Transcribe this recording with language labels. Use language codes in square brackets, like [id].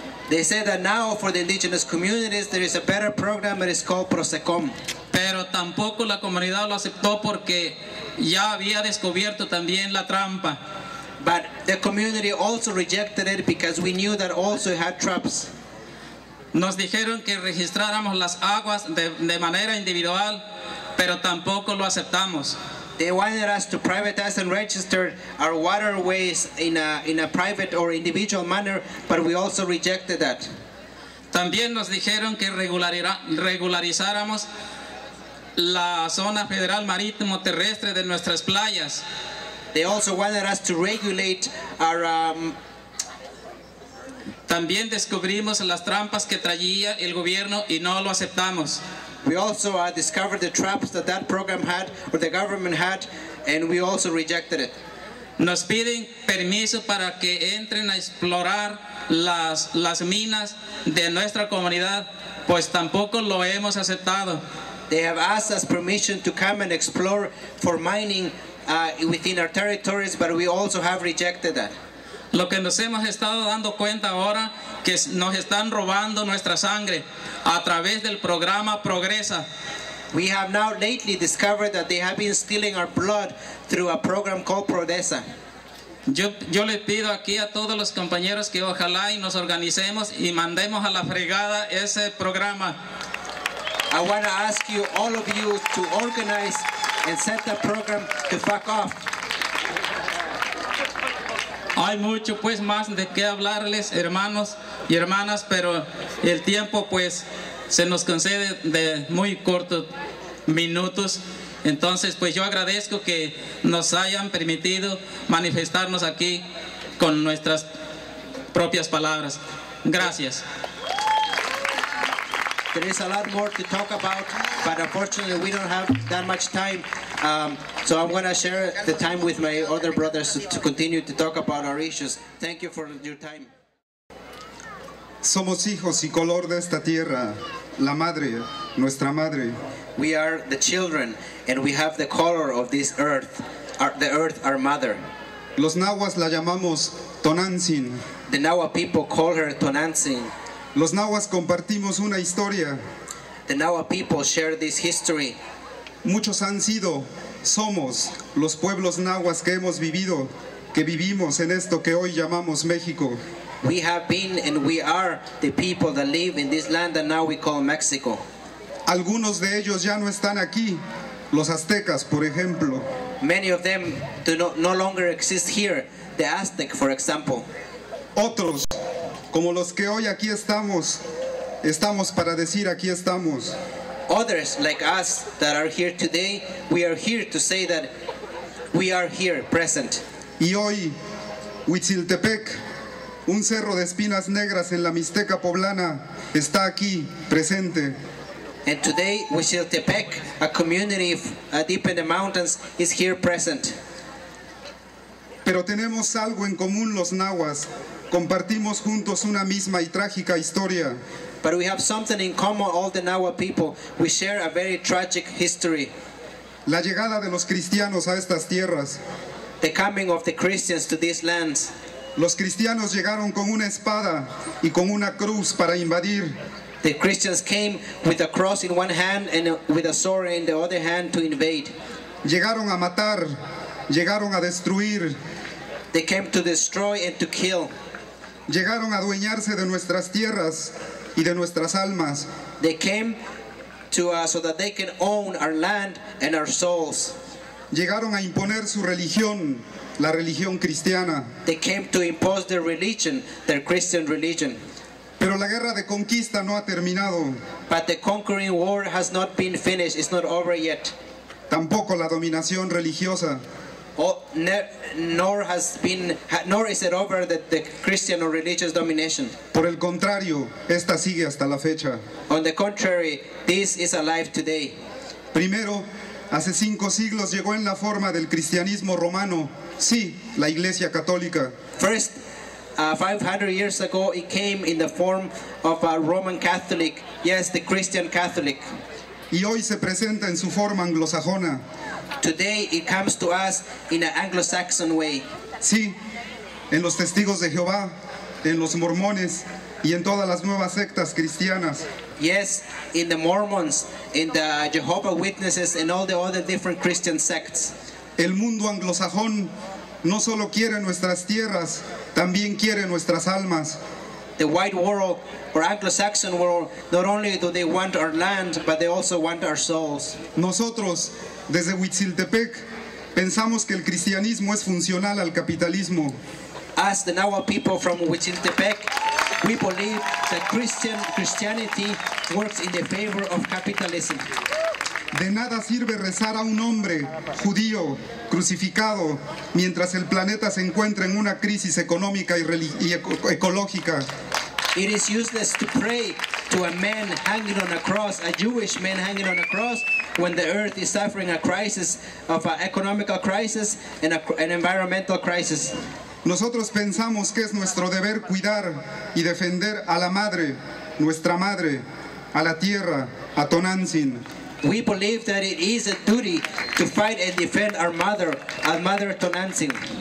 [en] They said that now for the indigenous communities there is a better program that is called Prosecom. [es] Pero tampoco la comunidad lo aceptó porque ya había descubierto también la trampa. [en] But the community also rejected it because we knew that also it had traps. [es] Nos dijeron que registráramos las aguas de manera individual, pero tampoco lo aceptamos. [en] They wanted us to privatize and register our waterways in a private or individual manner, but we also rejected that. [es] También nos dijeron que regularizáramos la zona federal marítimo terrestre de nuestras playas. [en] They also wanted us to regulate our... [es] También descubrimos las trampas que traía el gobierno y no lo aceptamos. [en] We also discovered the traps that program had, or the government had, and we also rejected it. [es] Nos piden permiso para que entren a explorar las minas de nuestra comunidad, pues tampoco lo hemos aceptado. [en] They have asked us permission to come and explore for mining within our territories, but we also have rejected that. [es] Lo que nos hemos estado dando cuenta ahora que nos están robando nuestra sangre a través del programa Progresa. [en] We have now lately discovered that they have been stealing our blood through a program called Progresa. [es] Yo le pido aquí a todos los compañeros que ojalá y nos organicemos y mandemos a la fregada ese programa. [en] I want to ask you, all of you, to organize and set the program to fuck off. [es] Hay mucho pues más de qué hablarles, hermanos y hermanas, pero el tiempo pues se nos concede de muy cortos minutos. Entonces pues yo agradezco que nos hayan permitido manifestarnos aquí con nuestras propias palabras. Gracias. [en] There is a lot more to talk about, but unfortunately we don't have that much time. So I'm going to share the time with my other brothers to continue to talk about our issues. Thank you for your time. [es] Somos hijos y color de esta tierra, la madre, nuestra madre. [en] We are the children, and we have the color of this earth, the earth, our mother. [es] Los nahuas la llamamos Tonantzin. [en] The Nahua people call her Tonantzin. [es] Los nahuas compartimos una historia. [en] The Nahua people share this history. [es] Muchos han sido, somos, los pueblos nahuas que hemos vivido, que vivimos en esto que hoy llamamos México. [en] We have been and we are the people that live in this land that now we call Mexico. [es] Algunos de ellos ya no están aquí, los aztecas, por ejemplo. [en] Many of them do no longer exist here, the Aztec, for example. [es] Otros, como los que hoy aquí estamos, estamos para decir aquí estamos. [en] Others like us that are here today, we are here to say that we are here present. [es] Y hoy, Huitziltepec, un cerro de espinas negras en la Mixteca poblana, está aquí presente. [en] And today, Huitziltepec, a community deep in the mountains, is here present. [es] Pero tenemos algo en común los nahuas. Compartimos juntos una misma y trágica historia. [en] But we have something in common, all the Nahua people. We share a very tragic history. [es] La llegada de los cristianos a estas tierras. [en] The coming of the Christians to these lands. [es] Los cristianos llegaron con una espada y con una cruz para invadir. [en] The Christians came with a cross in one hand and with a sword in the other hand to invade. [es] Llegaron a matar, llegaron a destruir. [en] They came to destroy and to kill. [es] Llegaron a adueñarse de nuestras tierras y de nuestras almas. [en] They came to us so that they can own our land and our souls. [es] Llegaron a imponer su religión, la religión cristiana. [en] They came to impose their religion, their Christian religion. [es] Pero la guerra de conquista no ha terminado. [en] But the conquering war has not been finished. It's not over yet. [es] Tampoco la dominación religiosa. [en] Nor is it over the Christian or religious domination. [es] Por el contrario, esta sigue hasta la fecha. [en] On the contrary, this is alive today. [es] Primero, hace 5 siglos llegó en la forma del cristianismo romano, sí, la Iglesia Católica. [en] First, 500 years ago, it came in the form of a Roman Catholic, yes, the Christian Catholic. [es] Y hoy se presenta en su forma anglosajona. [en] Today it comes to us in an Anglo-Saxon way. [es] Sí, en los testigos de Jehová, en los mormones y en todas las nuevas sectas cristianas. [en] Yes, in the Mormons, in the Jehovah's Witnesses and all the other different Christian sects. [es] El mundo anglosajón no solo quiere nuestras tierras, también quiere nuestras almas. [en] the white world or Anglo-Saxon world, not only do they want our land, but they also want our souls. [es] Nosotros, desde Huitziltepec, pensamos que el cristianismo es funcional al capitalismo. [en] As the Nahua people from Huitziltepec, we believe that Christianity works in the favor of capitalism. [es] De nada sirve rezar a un hombre judío crucificado mientras el planeta se encuentra en una crisis económica y ecológica. [en] It is useless to pray to a man hanging on a cross, a Jewish man hanging on a cross, when the earth is suffering a crisis of an economical crisis and an environmental crisis. [es] Nosotros pensamos que es nuestro deber cuidar y defender a la madre, nuestra madre, a la tierra, a Tonantzin. [en] We believe that it is a duty to fight and defend our mother Tonantzin.